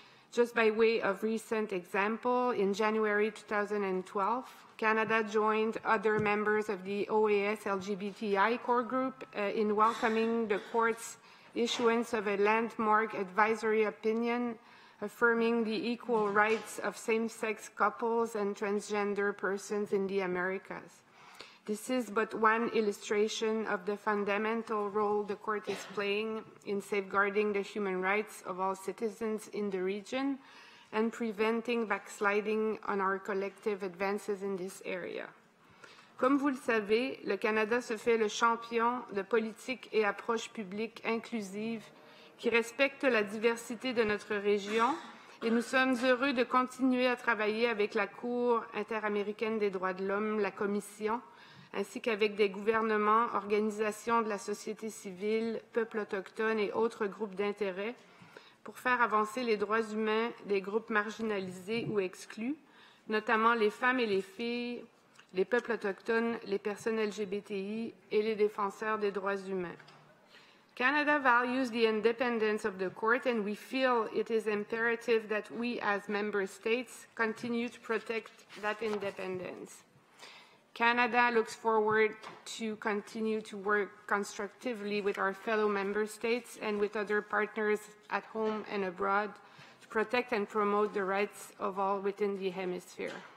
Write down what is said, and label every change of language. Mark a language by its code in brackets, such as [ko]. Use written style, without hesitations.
[en] Just by way of recent example, in January 2012, Canada joined other members of the OAS LGBTI core group in welcoming the Court's issuance of a landmark advisory opinion affirming the equal rights of same-sex couples and transgender persons in the Americas. This is but one illustration of the fundamental role the Court is playing in safeguarding the human rights of all citizens in the region and preventing backsliding on our collective advances in this area. [fr] Comme vous le savez, le Canada se fait le champion de politiques et approches publiques inclusives qui respecte la diversité de notre région, et nous sommes heureux de continuer à travailler avec la Cour interaméricaine des droits de l'homme, la Commission, ainsi qu'avec des gouvernements, organisations de la société civile, peuples autochtones et autres groupes d'intérêt pour faire avancer les droits humains des groupes marginalisés ou exclus, notamment les femmes et les filles, les peuples autochtones, les personnes LGBTI et les défenseurs des droits humains. [en] Canada values the independence of the Court, and we feel it is imperative that we, as member states, continue to protect that independence. Canada looks forward to continue to work constructively with our fellow member states and with other partners at home and abroad to protect and promote the rights of all within the hemisphere.